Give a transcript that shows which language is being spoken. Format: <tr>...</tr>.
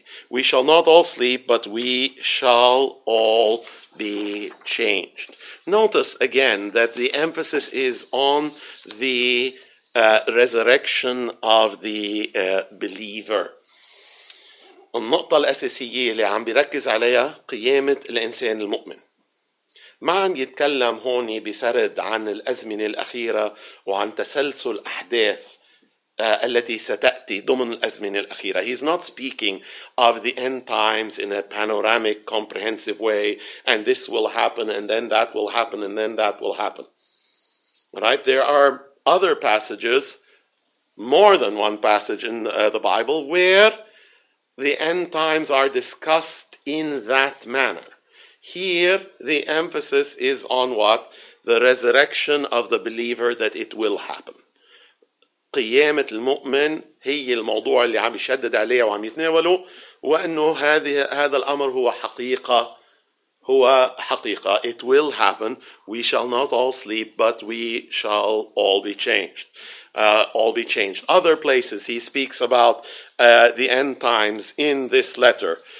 <en>We shall not all sleep, but we shall all be changed. Notice again that the emphasis is on the resurrection of the believer.</en> <ar>النقطة الأساسية اللي عم بيركز عليها قيامة الإنسان المؤمن. ما عم يتكلم هون بسرد عن الأزمنة الأخيرة وعن تسلسل أحداث التي ستأتي ضمن الأزمنة الأخيرة.</ar> <en>He's not speaking of the end times in a panoramic, comprehensive way, and this will happen, and then that will happen, and then that will happen. Right? There are other passages, more than one passage in the Bible, where the end times are discussed in that manner. Here, the emphasis is on what? The resurrection of the believer, that it will happen.</en> <ar>قيامة المؤمن هي الموضوع اللي عم يشدد عليه وعم يتناوله وأنه هذا الأمر هو حقيقة. هو حقيقة.</ar> <en>It will happen. We shall not all sleep, but we shall all be changed. Other places, he speaks about the end times in this letter.</en>